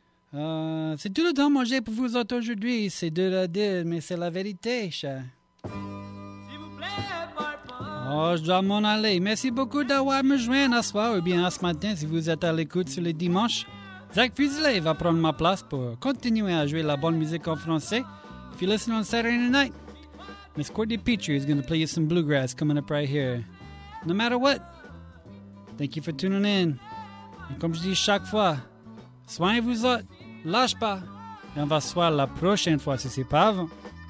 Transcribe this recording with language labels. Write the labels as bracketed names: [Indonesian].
[French] C'est tout le temps que j'ai pour vous autres aujourd'hui. C'est dur à dire, mais c'est la vérité, cher. S'il vous plaît, Barbara. Oh, je dois m'en aller. Merci beaucoup d'avoir me joint à soir ou bien à ce matin si vous êtes à l'écoute sur le dimanche. Zach Fuselet va prendre ma place pour continuer à jouer la bonne musique en français. [English] If you listen on Saturday night, Miss Courtney Petrie is going to play you some bluegrass coming up right here. No matter what, thank you for tuning in. [French] Et comme je dis chaque fois, soignez-vous autres, lâche pas, et on va se voir la prochaine fois si c'est pas avant.